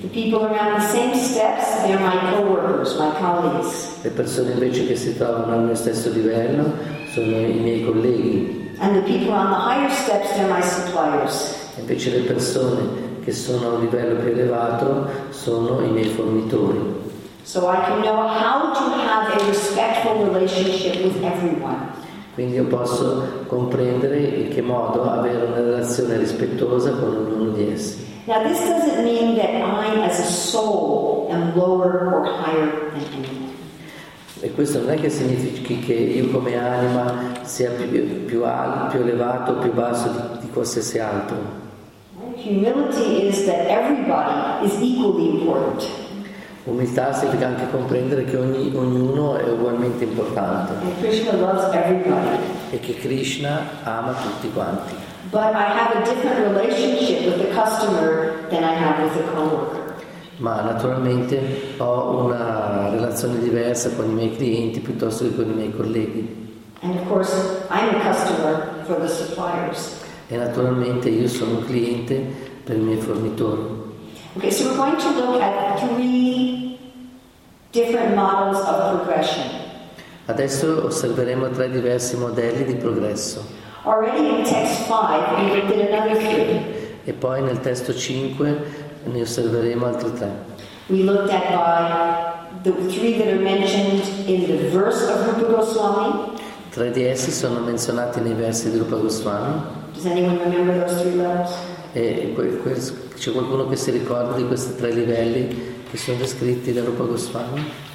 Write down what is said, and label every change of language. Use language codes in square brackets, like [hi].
[en] The people around the same steps, they're my coworkers, my colleagues. [it] Le persone invece che si trovano al mio stesso livello sono i miei colleghi. [en] And the people on the higher steps, they're my suppliers. [it] Invece le persone che sono a un livello più elevato sono i miei fornitori. [en] So I can know how to have a respectful relationship with everyone. [it] Quindi io posso comprendere in che modo avere una relazione rispettosa con ognuno di essi. [en] Now this doesn't mean that I as a soul am lower or higher than anyone. [it] E questo non è che significhi che io come anima sia più alto, più elevato, più basso di qualsiasi altro. [en] Humility is that everybody is equally important. [it] Umiltà significa anche comprendere che ognuno è ugualmente importante. [en] And Krishna loves everybody. [it] E che Krishna ama tutti quanti. [en] But I have a different relationship with the customer than I have with the coworker. [it] Ma naturalmente ho una relazione diversa con i miei clienti piuttosto che con i miei colleghi. [en] And of course, I'm a customer for the suppliers. [it] E naturalmente io sono un cliente per i miei fornitori. [en] Okay, so we're going to look at three different models of progression. [it] Adesso osserveremo tre diversi modelli di progresso. [en] Already in text 5, we looked at another three. [it] E poi nel testo 5 ne osserveremo altri tre. [en] We looked at by the three that are mentioned in the verse of Rupa Goswami. [it] Tre di essi sono menzionati nei versi di Rupa Goswami. [en] Does anyone remember those three levels? [it] C'è qualcuno che si ricorda di questi tre livelli che sono descritti da Rupa Goswami?